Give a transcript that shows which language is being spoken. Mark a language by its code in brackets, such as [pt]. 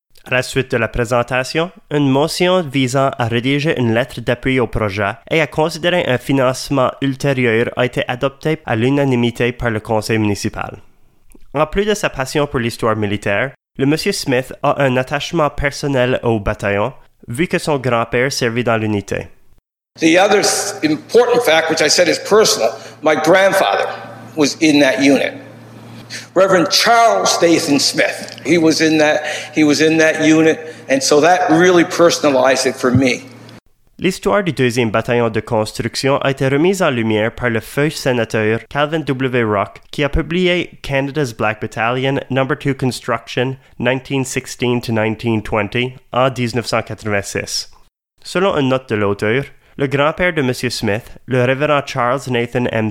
[fr] À la suite de la présentation, une motion visant à rédiger une lettre d'appui au projet et à considérer un financement ultérieur a été adoptée à l'unanimité par le conseil municipal. En plus de sa passion pour l'histoire militaire, le monsieur Smith a un attachement personnel au bataillon, vu que son grand-père servit dans l'unité. [en] The other important fact, which I said is personal, my grandfather was in that unit. Reverend Charles Nathan Smith, he was in that unit, and so that really personalized it for me. [fr] L'histoire du 2e bataillon de construction a été remise en lumière par le feu sénateur Calvin W. Rock, qui a publié Canada's Black Battalion, No. 2 Construction, 1916-1920, en 1986. Selon une note de l'auteur, le grand-père de M. Smith, le révérend Charles Nathan M.